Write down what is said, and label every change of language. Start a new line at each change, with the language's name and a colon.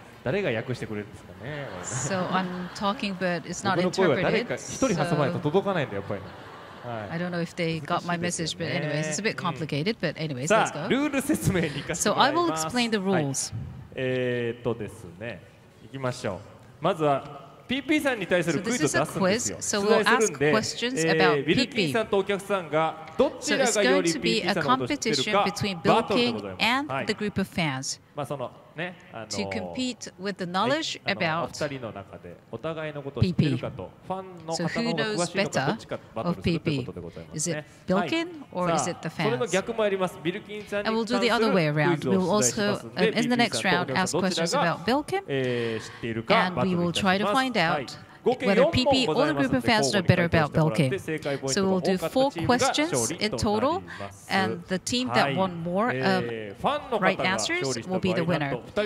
Japanese: 誰が訳してくれるんですかね。
English: So I'm talking, but it's not interpreted.
Japanese: 誰か一人挟まないと届かないんだよ、やっぱり。
English: I don't know if they got my message, but anyways, it's a bit complicated. But anyways, let's go.
Japanese: ルール説明に行かせてもらいます。
English: So I will explain the rules.
Japanese: ですね、行きましょう。まずは。 PP さんに対するクイズを出すんですよ。出題するんで、ウィルキンさんとお客さんがどちらがより PP さんのことを知ってるかバトルでございます。
English: And the group of fans.
Japanese: まあそのね、
English: To compete with the knowledge about
Japanese: PP. お二人の中でお互いのことを知ってるかと、ファンの方の方が詳しいのかどっちかバトルするということでございますね。
English: Is it Bilkin or is it the fans?
Japanese: それの逆もあります。ウィルキンさんに関するクイズを出題しますので、
English: We'll also, in the next round, ask questions about Bilkin. And we will try to find out whether PP or the group of fans know better about Bilkin. So we'll do four questions in total, and the team that won more right answers will be the winner.